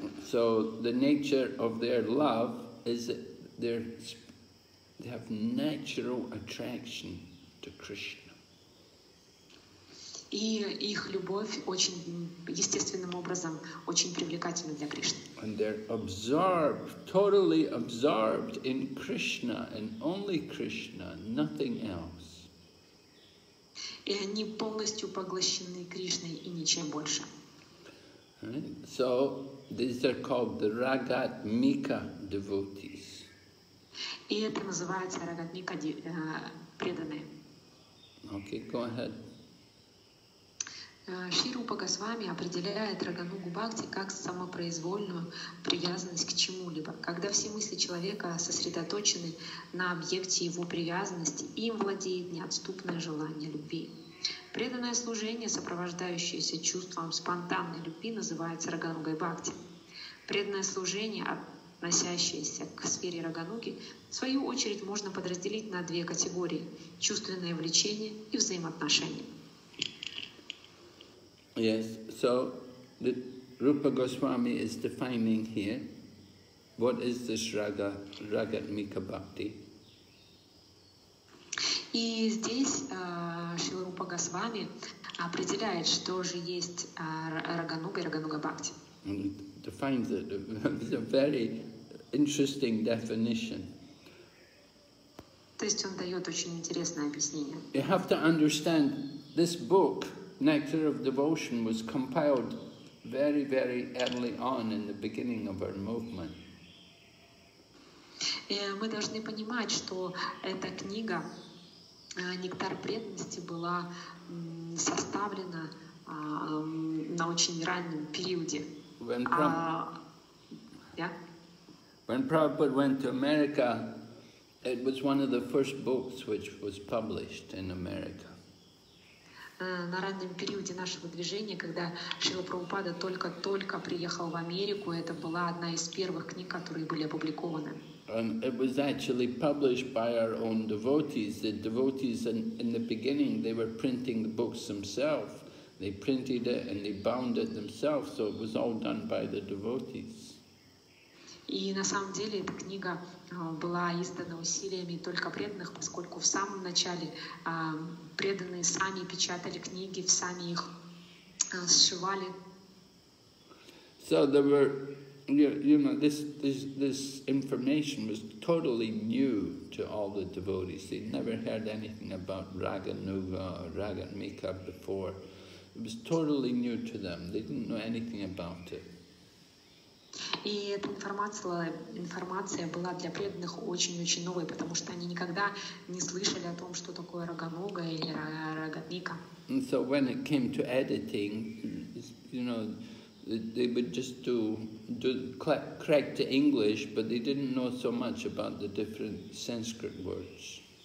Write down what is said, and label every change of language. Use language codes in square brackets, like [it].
[en] So the nature of their love is their they have natural attraction to Krishna. [ru] И их любовь очень естественным образом очень привлекательна для Кришны. [en] And they're absorbed, totally absorbed in Krishna and only Krishna, nothing else. [ru] И они полностью поглощены Кришной и ничем больше. [en] Right? So these are called the Ragatmika devotees. [ru] И это называется Рагатмика преданные. [en] Okay, go ahead. [ru] Шри Рупа Госвами определяет Рагануку Бхакти как самопроизвольную привязанность к чему-либо. Когда все мысли человека сосредоточены на объекте его привязанности, им владеет неотступное желание любви. Преданное служение, сопровождающееся чувством спонтанной любви, называется Раганукой Бхакти. Преданное служение, относящееся к сфере Рагануки, в свою очередь можно подразделить на две категории – чувственное влечение и взаимоотношения. [en] Yes, so the Rupa Goswami is defining here what is this raga, Ragatmika Bhakti. [ru] И здесь Шрила Рупа Госвами определяет, что же есть Рагануга и Рагануга Бхакти. [en] Defines it, it's a very interesting definition. [ru] То есть он дает очень интересное объяснение. [en] You have to understand this book, Nectar of Devotion, was compiled very, very early on in the beginning of our movement. [ru] Мы должны понимать, что эта книга «Нектар преданности» была составлена на очень раннем периоде. [en] When Prabhupada went to America, it was one of the first books which was published in America. [ru] На раннем периоде нашего движения, когда Шрила Прабхупада только-только приехал в Америку, это была одна из первых книг, которые были опубликованы. [en] And it was actually published by our own devotees. The devotees in the beginning, they were printing the books themselves. They printed it and they bound it themselves, so it was all done by the devotees. [ru] И на самом деле эта книга была издана усилиями только преданных, поскольку в самом начале преданные сами печатали книги, сами их сшивали. [en] So there were, you know, this information was totally new to all the devotees. They'd never heard anything about Raganuga or Raganmika before. It was totally new to them. They didn't know anything about it. [ru] И эта информация была для преданных очень-очень новой, потому что они никогда не слышали о том, что такое Рагануга или Рагатмика. [en] And so when it came to editing, you know, they would just do correct to English, but they didn't know so much about the different Sanskrit words.